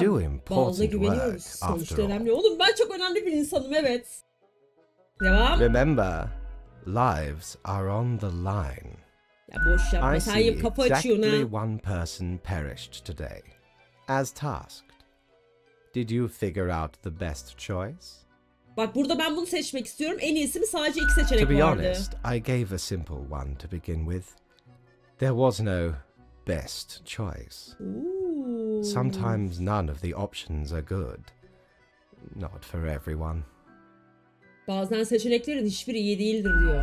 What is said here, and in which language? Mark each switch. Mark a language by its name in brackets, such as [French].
[English] You do important work, after all. [Turkish] Oğlum ben çok önemli bir insanım, evet. Devam. [English] Remember, lives are on the line. [Turkish] Ya boş yapma, [English] I [Turkish] sen yap, kapı [English] exactly [Turkish] açıyorsun ha. [English] I see exactly one person perished today, as tasked. Did you figure out the best choice? [Turkish] Bak burada ben bunu seçmek istiyorum. En iyisi mi? Sadece iki seçenek vardı. [English] To be honest, I gave a simple one to begin with. There was no best choice. Sometimes none of the options are good. Not for everyone. [Turkish] Bazen seçeneklerin hiçbiri iyi değildir diyor.